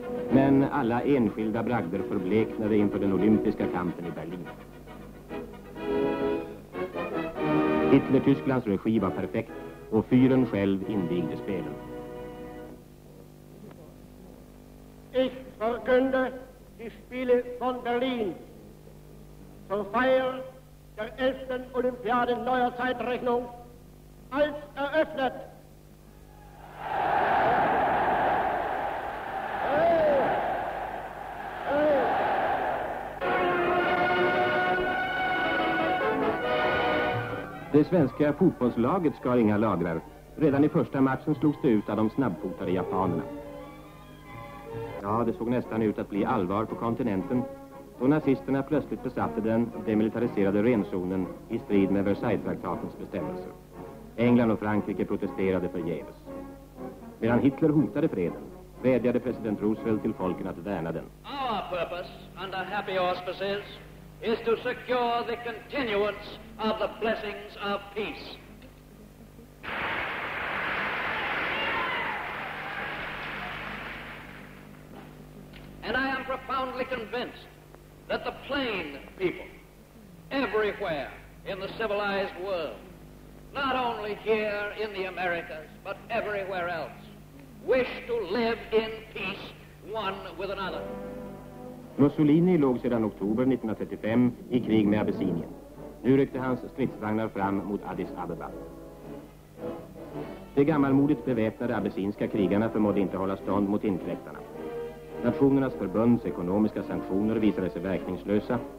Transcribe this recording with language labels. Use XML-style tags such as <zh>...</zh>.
<sv>Men alla enskilda bragder förbleknade inför den olympiska kampen i Berlin. Hitler-Tysklands regi var perfekt och fyren själv invigde spelen.</sv> <de>Ich verkünde die Spiele von Berlin zur Feier der 11. Olympiade neuer Zeitrechnung als eröffnet.</de> <sv>Det svenska fotbollslaget skar inga lagrar. Redan i första matchen slogs det ut av de snabbfotade japanerna. Ja, det såg nästan ut att bli allvar på kontinenten då nazisterna plötsligt besatte den demilitariserade renzonen i strid med Versailles-traktatens bestämmelser. England och Frankrike protesterade förgäves. Medan Hitler hotade freden vädjade president Roosevelt till folken att värna den.</sv> <en>Our purpose under happy auspices is to secure the continuance of the blessings of peace. And I am profoundly convinced that the plain people, everywhere in the civilized world, not only here in the Americas, but everywhere else, wish to live in peace one with another.</en> <sv>Mussolini låg sedan oktober 1935 i krig med Abessinien. Nu ryckte hans stridsvagnar fram mot Addis Abeba. De gammalmodigt beväpnade abessinska krigarna förmådde inte hålla stånd mot inkräktarna. Nationernas förbunds ekonomiska sanktioner visade sig verkningslösa.</sv>